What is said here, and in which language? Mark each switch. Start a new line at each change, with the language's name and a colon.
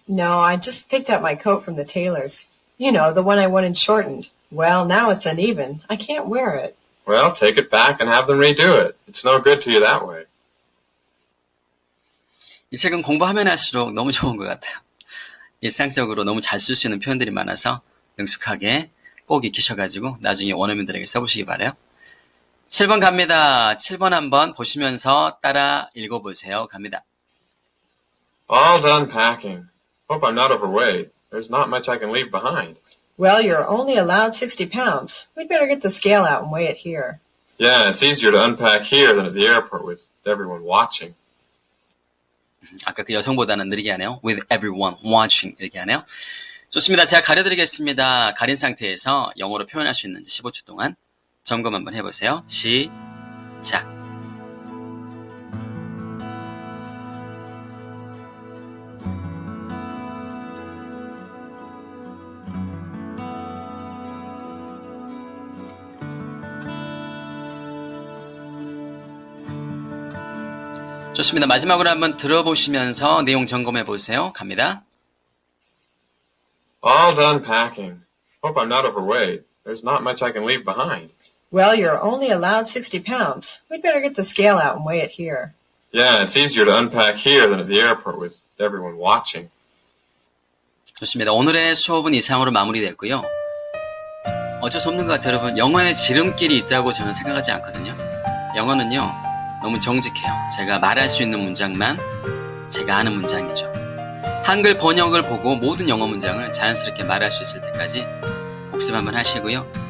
English: No, I just picked up my coat from the tailor's. You know, the one I wanted shortened. Well, now it's uneven. I can't wear it. Well, take it back and have them redo it. It's no good to you that way.
Korean: 이 책은 공부하면 할수록 너무 좋은 것 같아요. 일상적으로 너무 잘 쓸 수 있는 표현들이 많아서 능숙하게 꼭 익히셔가지고 나중에 원어민들에게 써보시기 바래요. 7번 갑니다. 7번 한번 보시면서 따라 읽어보세요. 갑니다.
English: All done packing. Hope I'm not overweight. There's not much I can leave behind. Well, you're only allowed 60 pounds. We'd better get the scale out and weigh it here. Yeah, it's easier to unpack here than at the airport with everyone watching.
Korean: 아까 그 여성보다는 느리게 하네요.
English: With everyone watching
Korean: 이렇게 하네요. 좋습니다. 제가 가려드리겠습니다. 가린 상태에서 영어로 표현할 수 있는지 15초 동안. 점검 한번 해보세요. 시작. Mm-hmm. 좋습니다. 마지막으로 한번 들어보시면서 내용 점검해보세요. 갑니다.
English: All done packing. Hope I'm not overweight. There's not much I can leave behind. Well, you're only allowed 60 pounds. We'd better get the scale out and weigh it here. Yeah, it's easier to unpack here than at the airport with everyone watching.
Korean: 좋습니다. 오늘의 수업은 이상으로 마무리됐고요. 어쩔 수 없는 것 같아요, 여러분. 영어에 지름길이 있다고 저는 생각하지 않거든요. 영어는요, 너무 정직해요. 제가 말할 수 있는 문장만 제가 아는 문장이죠. 한글 번역을 보고 모든 영어 문장을 자연스럽게 말할 수 있을 때까지 복습 한번 하시고요.